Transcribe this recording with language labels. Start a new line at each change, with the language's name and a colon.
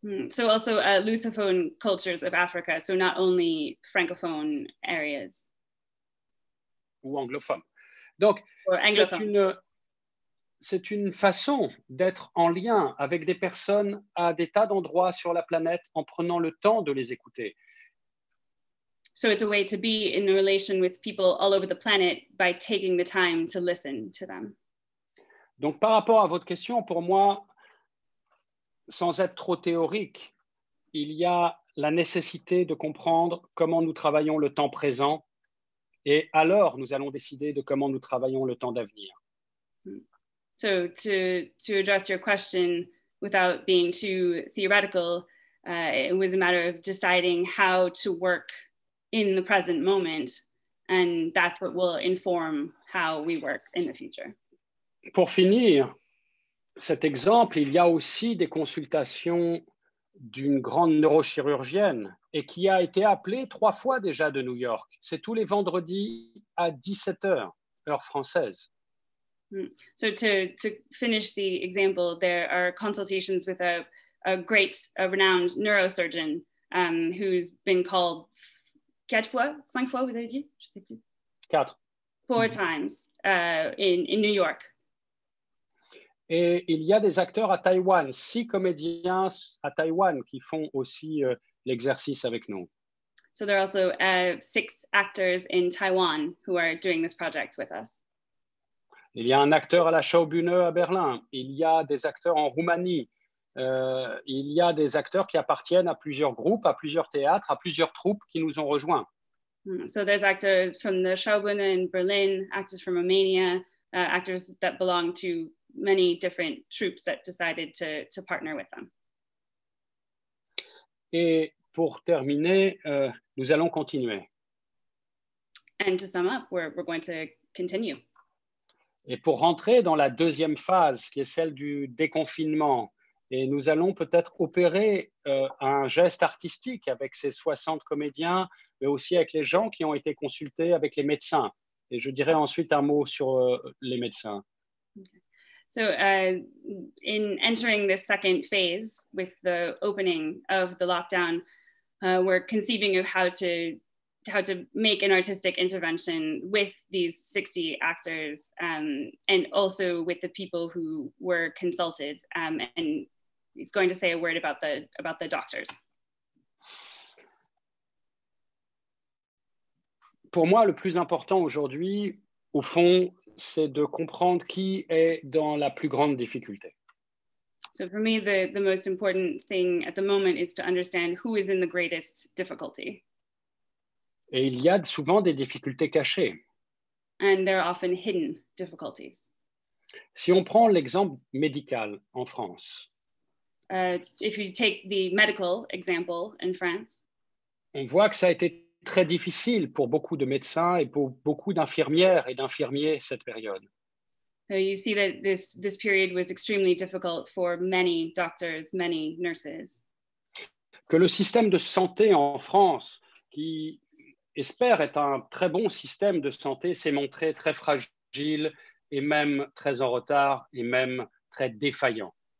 English: So also lusophone cultures of Africa, so not only francophone areas.
French: Ou anglophones. Donc, c'est une façon d'être en lien avec des personnes à des tas d'endroits sur la planète en prenant le temps de les écouter.
English: So it's a way to be in a relation with people all over the planet by taking the time to listen to them.
French: Donc par rapport à votre question, pour moi, sans être trop théorique, il y a la nécessité de comprendre comment nous travaillons le temps présent et alors nous allons décider de comment nous travaillons le temps d'avenir.
English: So to address your question without being too theoretical, it was a matter of deciding how to work in the present moment, and that's what will inform how we work in the future.
French: Pour finir cet exemple, il y a aussi des consultations d'une grande neurochirurgienne et qui a été appelée 3 fois déjà de New York. C'est tous les vendredis à 17h, heure française.
English: So to finish the example, there are consultations with a renowned neurosurgeon who's been called
French: 4 fois, 5 fois, vous avez dit? Je sais plus.
English: 4. 4 times in New York.
French: Et il y a des acteurs à Taïwan, 6 comédiens à Taïwan qui font aussi l'exercice avec nous.
English: So there are also 6 actors in Taiwan who are doing this project with us.
French: Il y a un acteur à la Schaubühne à Berlin. Il y a des acteurs en Roumanie. Il y a des acteurs qui appartiennent à plusieurs groupes, à plusieurs théâtres, à plusieurs troupes qui nous ont rejoints.
English: So there's actors from the Schaubühne in Berlin, actors from Romania, actors that belong to many different troops that decided to partner with them.
French: Et pour terminer, nous allons continuer.
English: And to sum up, we're going to continue.
French: Et pour rentrer dans la deuxième phase, qui est celle du déconfinement, et nous allons peut-être opérer un geste artistique avec ces 60 comédiens, mais aussi avec les gens qui ont été consultés, avec les médecins. Et je dirai ensuite un mot sur les médecins.
English: So, in entering this second phase with the opening of the lockdown, we're conceiving of how to make an artistic intervention with these 60 actors and also with the people who were consulted. And he's going to say a word about the doctors.
French: pour moi, le plus important aujourd'hui, au fond, c'est de comprendre qui est dans la plus grande difficulté.
English: So for me, the most important thing at the moment is to understand who is in the greatest difficulty.
French: Et il y a souvent des difficultés cachées.
English: And there are often hidden difficulties.
French: Si on prend l'exemple médical en France.
English: If you take the medical example in France.
French: On voit que ça a été très difficile pour beaucoup de médecins et pour beaucoup d'infirmières et d'infirmiers cette période.
English: So you see that this period was extremely difficult for many doctors, many nurses.
French: Que le système de santé en France, qui espère être un très bon système de santé, s'est montré très fragile et même très en retard et même très défaillant.